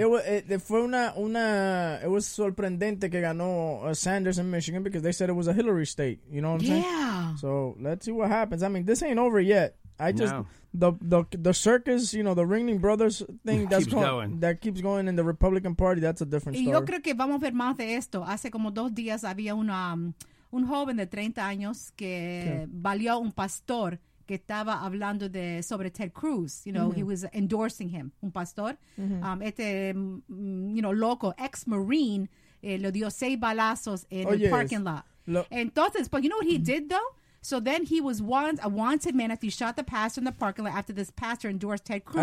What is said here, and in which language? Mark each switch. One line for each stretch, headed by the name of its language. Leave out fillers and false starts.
English: It was
Spanish: sorprendente que ganó
English: Sanders in Michigan because they said it was a Hillary state. You know what I'm saying? Yeah. So let's see what happens. I mean, this ain't over yet. The circus, you know, the Ringling Brothers thing that's that keeps going in the Republican Party, that's a different story.
Spanish: Yo creo que vamos a ver más de esto. Hace como 2 días había un joven de 30 años que valió un pastor que estaba hablando sobre Ted Cruz.
English: You know, he was endorsing him,
Spanish: un pastor.
English: Mm-hmm.
Spanish: Loco, ex-Marine, le dio 6 balazos en el parking lot.
English: Entonces, but you know what he did, though? So then he was a wanted man after he shot the pastor in the parking lot after this pastor endorsed Ted Cruz.